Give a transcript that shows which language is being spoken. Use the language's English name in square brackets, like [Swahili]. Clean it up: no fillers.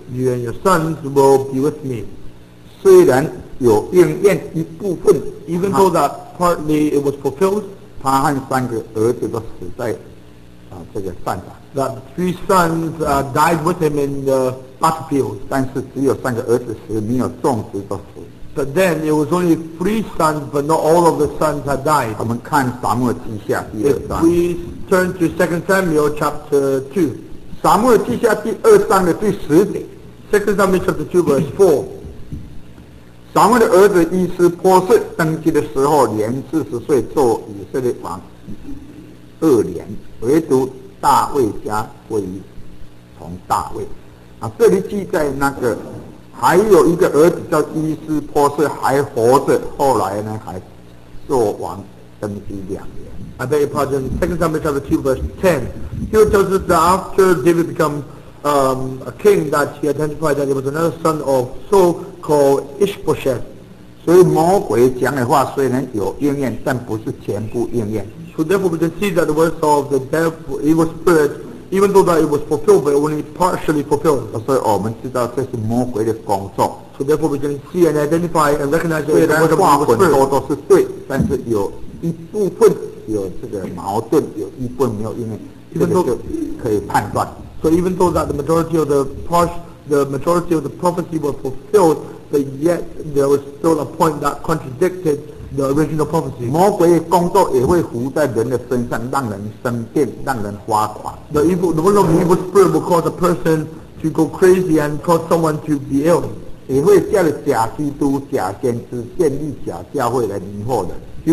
[English] You and your sons will be with me. [Chinese] 虽然有应验一部分 [English] even though that partly it was fulfilled, [Chinese] 他和三个儿子都死在这个战场。 [English] That three sons died with him in the battlefield. [Chinese] 但是只有三个儿子死，没有众族都死。 [English] But then it was only three sons, but not all of the sons had died. [Chinese] 我们看撒母耳记下第二章。 [English] If we turn to 2 Samuel chapter 2. [Chinese] 撒母耳记下第二章的第十节 [English] Second Samuel chapter 2 verse 4 [Chinese] 撒母耳的儿子伊斯波瑟登基的时候年四十岁做以色列王二年唯独大卫家位于从大卫这里记载那个还有一个儿子叫伊斯波瑟还活着后来呢还做王登基两年 [English] I beg your pardon, 2 Samuel chapter 2 verse 10. Here it tells us that after David became a king, that he identified that there was another son of Saul called Ishbosheth. [Chinese] 所以魔鬼讲的话虽然有应验，但不是全部应验。 [English] So therefore we can see that the words of the devil, evil spirit, even though that it was fulfilled, but only partially fulfilled. [Chinese] 所以我们知道这是魔鬼的工作。 [English] So therefore we can see and identify and recognize that the words of evil spirit. [Chinese] 虽然话很多都是对，但是有一部分有这个矛盾，有一部分没有，因为这个就可以判断。 [English] So even though that the majority of the prophecy were fulfilled, but yet there was still a point that contradicted the original prophecy. The evil spirit will cause a person to go crazy and cause someone to be ill. [Chinese] 也会叫假基督、假先知建立假教会来迷惑人。 [English] He